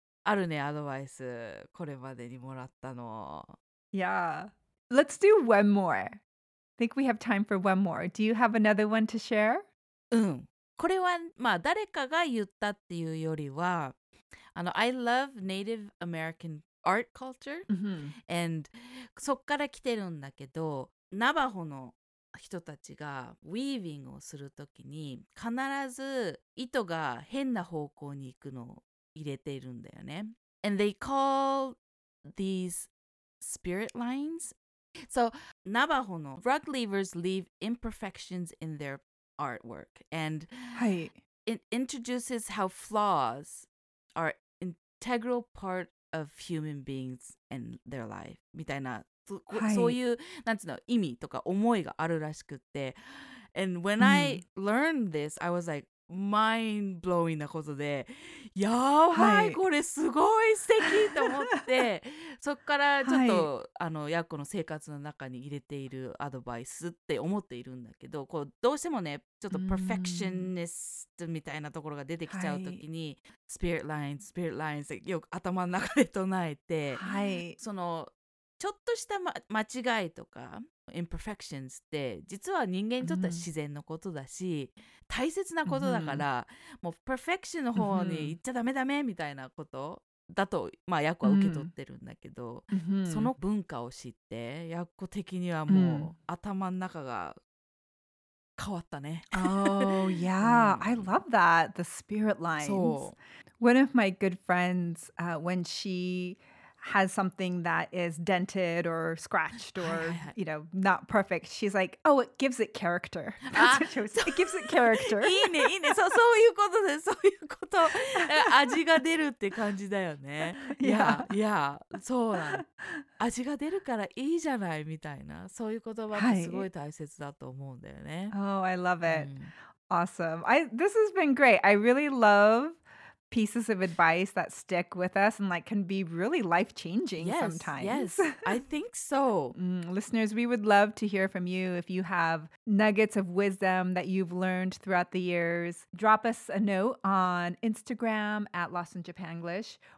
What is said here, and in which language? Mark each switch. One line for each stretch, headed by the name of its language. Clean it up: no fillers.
Japanese: あるね、アドバイス、これまでにもらったの。
English: Yeah. Let's do one more. I think we have time for one more. Do you have another one to share?
Japanese: うん。これは、まあ、誰かが言ったっていうよりは、
English: I love Native American art culture.、 Mm-hmm. And
Japanese: そっから来てるんだけど、ナバホの人たちがウィービングをするときに、必ず糸が変な方向に行くのを入れているんだよね。
English: And they call these spirit lines. So, Navajo の rug leavers leave imperfections in their artwork. And、
Japanese: はい、
English: it introduces how flaws are integral part of human beings and their life.
Japanese: みたいな、はい、そういう、なんていうの、意味とか思いがあるらしくって。
English: And when、
Japanese: うん、
English: I learned this, I was like,mind blowing
Japanese: なことで、やばい、これすごい素敵と思って、そっからちょっと、はい、ヤッコの生活の中に入れているアドバイスって思っているんだけど、こうどうしてもね、ちょっと perfectionist みたいなところが出てきちゃうときに、はい、spirit lines ってよく頭の中で唱えて、はい、そのちょっとした、ま、間違いとか imperfections って実は人間にとっては自然のことだし、うん、大切なことだから、うん、もうパーフェクションの方に行っちゃダメダメみたいなことだと、うん、まあヤッコは受け取ってるんだけど、うん、その文化を知ってヤッコ的にはもう、うん、頭の中が変わったね。
English: Oh yeah、うん、I love that, the spirit lines.
Japanese: そう。
English: One of my good friends、when sheHas something that is dented or scratched or, you know, not perfect. She's like, oh, it gives it character. That's what she was saying. It gives it character.
Japanese: いいね、いいね。そういうことです。そういうこと。味が出るって感じだよね。
English: Yeah.
Japanese: Yeah. そうなん。味が出るからいいじゃないみたいな。そういう言葉ってすごい大切だと思うんだよね。
English: Oh, I love it.、うん、awesome. This has been great. I really love... pieces of advice that stick with us and like can be really life-changing yes, sometimes. Yes, I think so. Listeners, we would love to hear from you. If you have nuggets of wisdom that you've learned throughout the years, drop us a note on Instagram at Lost in Japanglish